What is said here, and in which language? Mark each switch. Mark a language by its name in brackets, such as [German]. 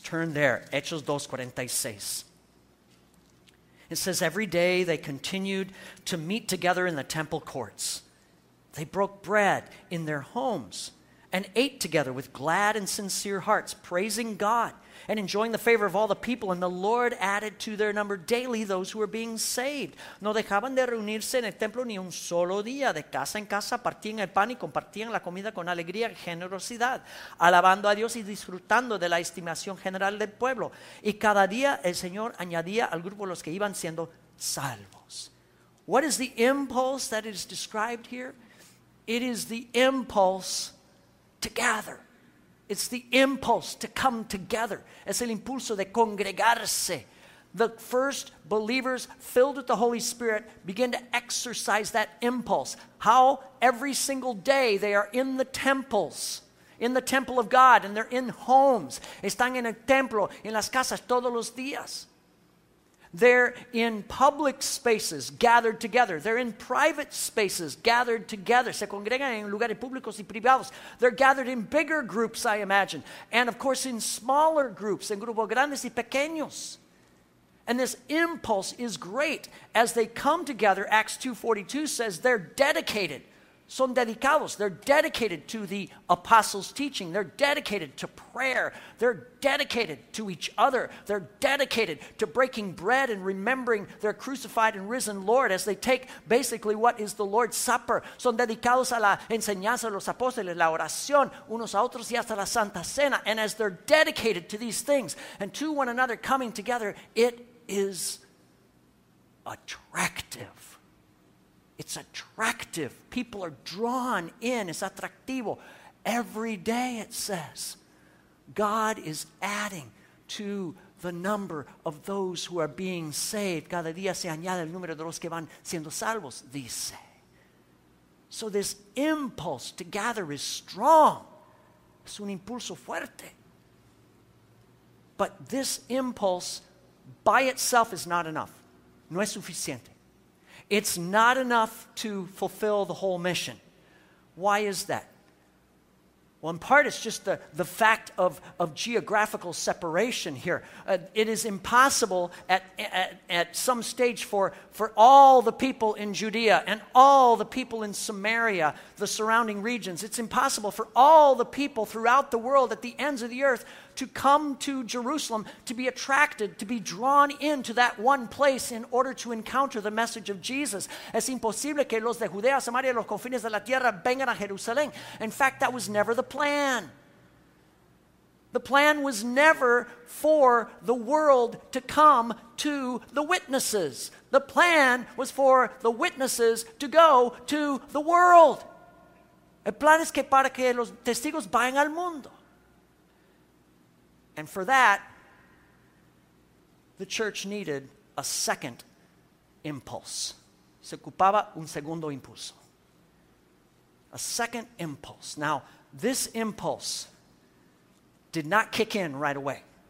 [English] Turn there, Hechos 2, 46. It says, every day they continued to meet together in the temple courts. They broke bread in their homes and ate together with glad and sincere hearts, praising God and enjoying the favor of all the people. And the Lord added to their number daily those who were being saved. [Spanish] No dejaban de reunirse en el templo ni un solo día. De casa en casa partían el pan y compartían la comida con alegría y generosidad, alabando a Dios y disfrutando de la estimación general del pueblo. Y cada día el Señor añadía al grupo los que iban siendo salvos. [English] What is the impulse that is described here? It is the impulse to gather. It's the impulse to come together. [Spanish] Es el impulso de congregarse. [English] The first believers filled with the Holy Spirit begin to exercise that impulse. How every single day they are in the temples, in the temple of God, and they're in homes. [Spanish] Están en el templo, en las casas todos los días. [English] They're in public spaces gathered together. They're in private spaces gathered together. [Spanish] Se congregan en lugares públicos y privados. [English] They're gathered in bigger groups, I imagine. And of course, in smaller groups, [Spanish] en grupos grandes y pequeños. [English] And this impulse is great. As they come together, Acts 2:42 says they're dedicated. [Spanish] Son dedicados. [English] They're dedicated to the apostles' teaching. They're dedicated to prayer. They're dedicated to each other. They're dedicated to breaking bread and remembering their crucified and risen Lord as they take basically what is the Lord's Supper. [Spanish] Son dedicados a la enseñanza de los apóstoles, la oración unos a otros y hasta la Santa Cena. [English] And as they're dedicated to these things and to one another coming together, it is attractive. It's attractive. People are drawn in. It's atractivo. Every day, it says, God is adding to the number of those who are being saved. [Spanish] Cada día se añade el número de los que van siendo salvos, dice. [English] So this impulse to gather is strong. [Spanish] Es un impulso fuerte. [English] But this impulse by itself is not enough. [Spanish] No es suficiente. [English] It's not enough to fulfill the whole mission. Why is that? Well, in part, it's just the fact of geographical separation here. It is impossible at some stage for all the people in Judea and all the people in Samaria, the surrounding regions. It's impossible for all the people throughout the world at the ends of the earth to come to Jerusalem, to be attracted, to be drawn into that one place in order to encounter the message of Jesus. [Spanish] Es imposible que los de Judea, Samaria, los confines de la tierra vengan a Jerusalén. [English] In fact, that was never the plan. The plan was never for the world to come to the witnesses. The plan was for the witnesses to go to the world. [Spanish] El plan es que para que los testigos vayan al mundo. [English] And for that, the church needed a second impulse. [Spanish] Se ocupaba un segundo impulso. [English] A second impulse. Now, this impulse did not kick in right away.